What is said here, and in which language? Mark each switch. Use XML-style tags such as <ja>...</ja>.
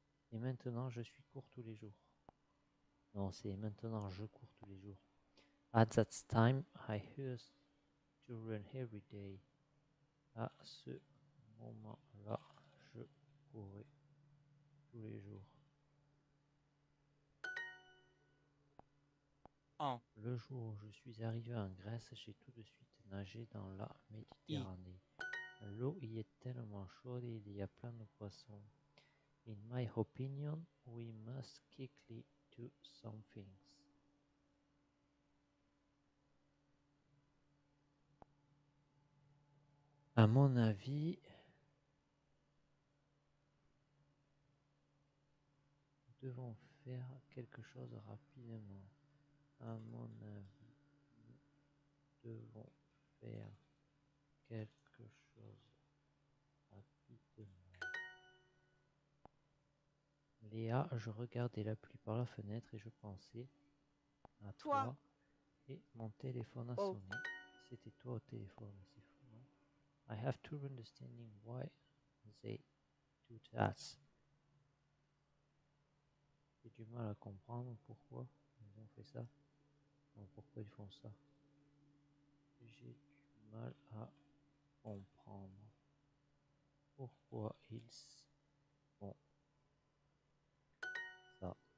<fr>Et maintenant, je suis court tous les jours. Non, c'est maintenant, je cours tous les jours.</fr> <en>At that time, I used to run every day.</en> <fr>À ce moment-là, je courais tous les jours. Le jour où je suis arrivé en Grèce, j'ai tout de suite nager dans la Méditerranée. L'eau y est tellement chaude et il y a plein de poissons.</fr> <en>In my opinion, we must quickly do some things.</en> <fr>À mon avis, nous devons faire quelque chose rapidement. À mon avis, nous devons faire quelque chose rapidement. Léa, je regardais la pluie par la fenêtre et je pensais à toi. Et mon téléphone a sonné. C'était toi au téléphone, c'est fou, non?</fr> <en>I have to understand why they do that.</en> <fr>J'ai du mal à comprendre pourquoi ils ont fait ça. Non, pourquoi ils font ça? J'ai du mal à comprendre pourquoi ils font ça.</fr>